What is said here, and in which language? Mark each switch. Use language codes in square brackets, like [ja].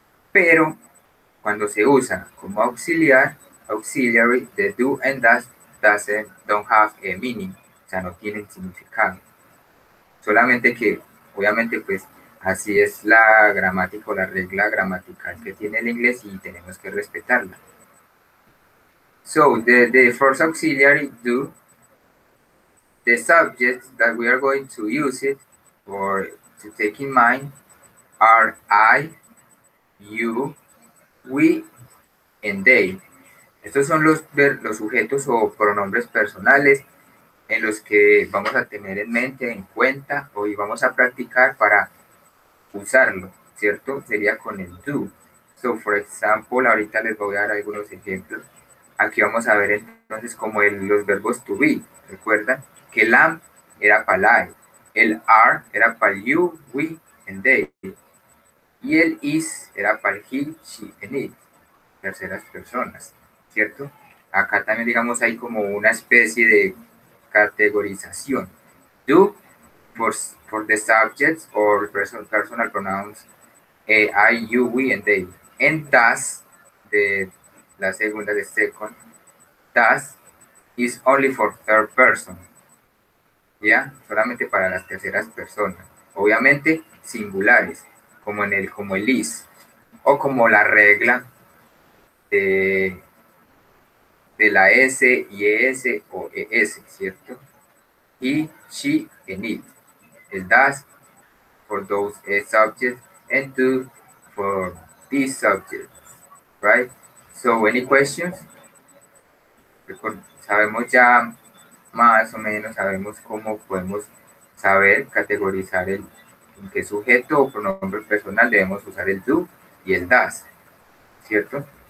[es] Pero cuando se usa como auxiliar, [en] auxiliary, the do and does don't have a meaning, [es] o sea, no tienen significado. Solamente que, obviamente, pues, así es la gramática o la regla gramatical que tiene el inglés y tenemos que respetarla. [en] So, the first auxiliary, do, the subject that we are going to use it or to take in mind are I, you, we and they. [es] Estos son los sujetos o pronombres personales en los que vamos a tener en mente, en cuenta, hoy vamos a practicar para usarlo, ¿cierto? Sería con el do. [en] So, for example, [es] ahorita les voy a dar algunos ejemplos. Aquí vamos a ver entonces como los verbos to be, ¿recuerdan? Que el am era para I, el are era para you, we and they. Y el is era para he, she, and it, terceras personas, ¿cierto? Acá también, digamos, hay como una especie de categorización. [en] Do, for the subjects or personal pronouns, I, you, we, and they. And does, the second, does is only for third person, ¿ya? [es] Solamente para las terceras personas. Obviamente, singulares. Como el is, o como la regla de la S, IES o ES, ¿cierto? [en] He, she, and it. El does for those subjects, and do for these subjects, right? So, any questions? [es] Sabemos ya, más o menos, sabemos cómo podemos saber categorizar el en qué sujeto o pronombre personal debemos usar el do y el does, ¿cierto?